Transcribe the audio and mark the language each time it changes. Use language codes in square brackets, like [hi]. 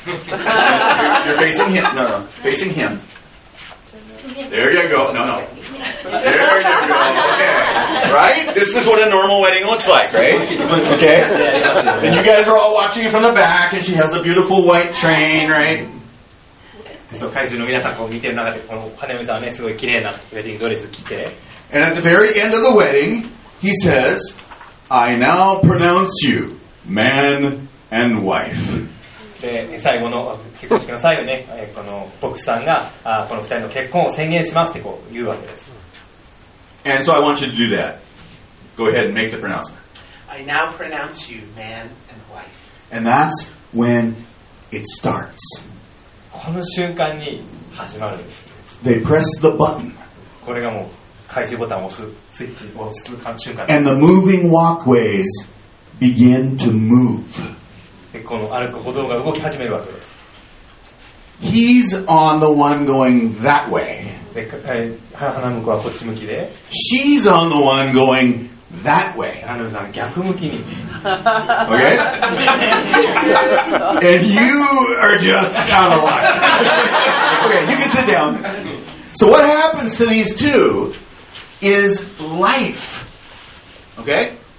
[en] You're facing him. No, no. Facing him. There you go. No, no. There you go. Okay. Right? This is what a normal wedding looks like, right? Okay? And you guys are all watching it from the back, and she has a beautiful white train, right? [ja] So, 会場の皆さんこう見てる中で、この花嫁さんはね、すごい綺麗なウェディングドレス着て。 [en] And at the very end of the wedding, he says, I now pronounce you man and wife. [ja] で、最後の、結婚式の最後ね、この牧師さんが、この二人の結婚を宣言しますってこう言うわけです。 [en] And so I want you to do that. Go ahead and make the pronouncement. I now pronounce you man and wife. And that's when it starts. [ja] この瞬間に始まる。 [en] They press the button. [ja] これがもう開始ボタンを押す、スイッチを押す瞬間。 [en] And the moving walkways begin to move. [ja] で、この歩く歩道が動き始めるわけです。 [en] He's on the one going that way. [ja] で、花向こうはこっち向きで。 [en] She's on the one going that way. [ja] 花向さん逆向きに。 [en] Okay? And you are just out of luck. Okay, you can sit down. So what happens to these two is life. Okay?